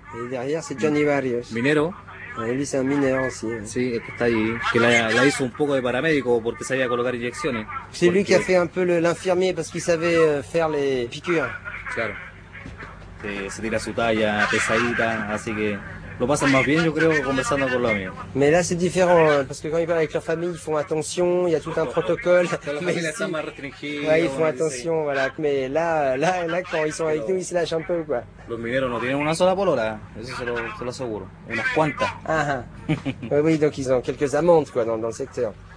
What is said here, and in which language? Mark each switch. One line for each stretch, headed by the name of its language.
French: Y derrière, c'est Johnny Barrios.
Spanish: Minero.
French: Lui, c'est un mineur aussi.
Spanish: Sí, el que está ahí. Que la hizo un poco de paramédico porque sabía colocar inyecciones.
French: C'est lui qui a fait un peu l'infirmier parce qu'il savait faire les piqûres.
Spanish: Claro. Se tira su talla pesadita, así que lo pasan más bien, yo creo, conversando con los amigos.
French: Mais là c'est différent, parce que quand ils parlent avec leur famille, ils font attention, il y a tout un protocole. Mais ici, ouais, ils font attention, voilà. Mais là quand ils sont avec nous, ils se lâchent un peu, quoi.
Spanish: Los mineros no tienen una sola polora, eso se lo aseguro. Unas cuantas.
French: Ah, oui, donc ils ont quelques amantes, quoi, dans le secteur.